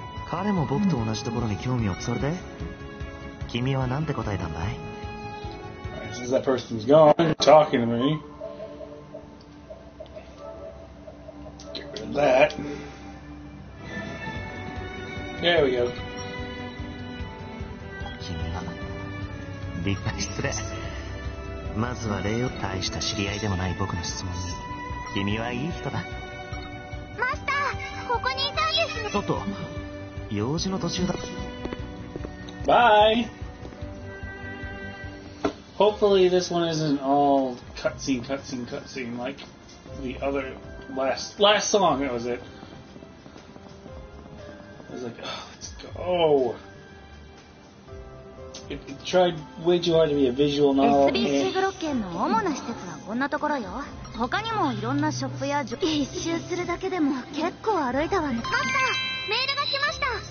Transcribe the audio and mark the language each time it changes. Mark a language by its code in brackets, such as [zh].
[ja] 彼も僕と同じところに興味を。それで君は何て答えたんだい。 [en] Since that person's gone, talking to me. Get rid of that. There we go. [ja] 君は立派。失礼。まずは礼を。大した知り合いでもない僕の質問に、君はいい人だ。マスター、ここにいたんですね。ちょっと用事の途中だ。バイ。 [en] Hopefully this one isn't all cutscene, cutscene, cutscene like the other last song, that was it. was like, oh, let's go. It tried way too hard to be a visual novel. [ja] SBC グロッケンの主な施設はこんなところよ。他にもいろんなショップや一周するだけでも結構歩いたわね。マスター、メールが来ました。